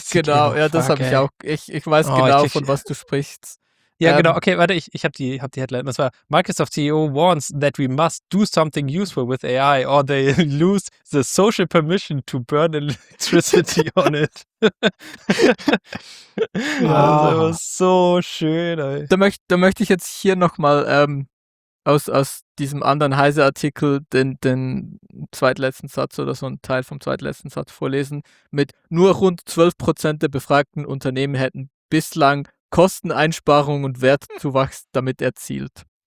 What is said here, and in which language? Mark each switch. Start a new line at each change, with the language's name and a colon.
German: Genau, ja, das habe ich auch. Ich weiß genau, von was du sprichst. Ja, genau. Okay, warte, ich habe die Headline. Das war:
English: Microsoft CEO warns that we must do something useful with AI or they lose the social permission to burn electricity on it.
German: Wow. Das war so schön. Ey. Da möchte ich jetzt hier nochmal aus diesem anderen Heise-Artikel den zweitletzten Satz oder so einen Teil vom zweitletzten Satz vorlesen. Mit nur rund 12% der befragten Unternehmen hätten bislang Kosteneinsparungen und Wertzuwachs damit erzielt.